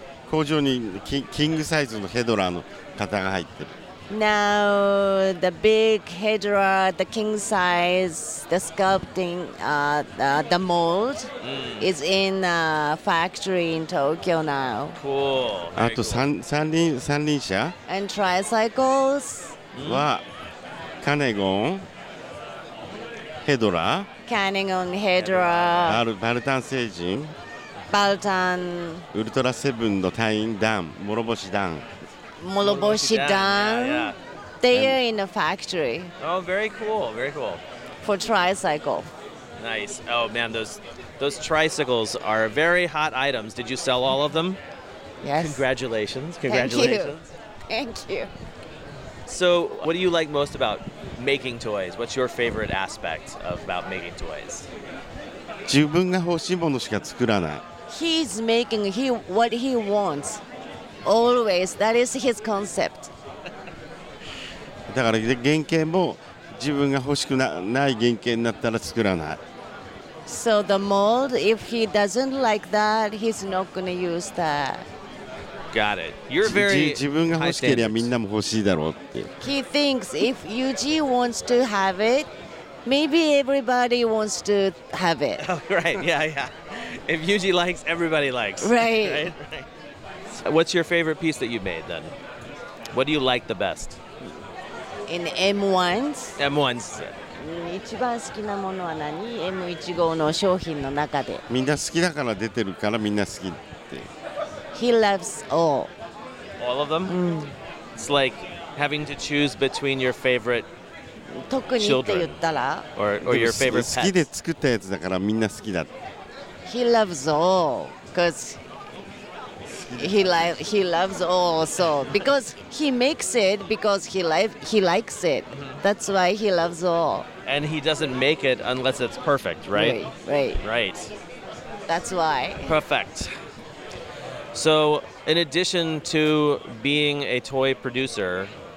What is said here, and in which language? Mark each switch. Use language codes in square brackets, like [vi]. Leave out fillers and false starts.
[ja] 工場にキングサイズのヘドラーの型が入ってる。 [en] Now, the big Hedra, the king size, the sculpting, the mold is in a factory in Tokyo now. Cool. [ja] あと三輪車 [en] And tricycles. [ja] はカネゴン、ヘドラ。 [en] Canegon, Hedra. [ja] バルタン星人。バルタン。ウルトラセブンの隊員団、諸星団。 [en] Moroboshi Dan, yeah. they are in a factory. Oh, very cool, very cool. For tricycle. Nice. Oh man, those tricycles are very hot items. Did you sell all of them? Yes. Congratulations. Thank you. So, what do you like most about making toys? What's your favorite aspect about making toys? [ja] 自分が欲しいものしか作らない。 [en] He's making what he wants. Always, that is his concept. [ja] だから原型も自分が欲しくない原型になったら作らない。 [en] So the mold, if he doesn't like that, he's not gonna use that. Got it. You're very. [ja] 自分が欲しければみんなも欲しいだろうって。 [en] He thinks if Yuji wants to have it, maybe everybody wants to have it. Right. Yeah. Yeah. If Yuji likes, everybody likes. Right. Right. Right. What's your favorite piece that you made then? What do you like the best? In M1s? M1s. [ja] 一番好きなものは何?M1 号の商品の中で。みんな好きだから出てるからみんな好きって。 [en] He loves all. All of them? Mm. It's like having to choose between your favorite [ja] 特にって言ったら? [en] Or your favorite pets. [ja] 好きで作ったやつだからみんな好きだ。 [en] He loves all. Because... He loves all, so because he makes it because he likes it. That's why he loves all. And he doesn't make it unless it's perfect, right? Right. That's why. Perfect. So, in addition to being a toy producer,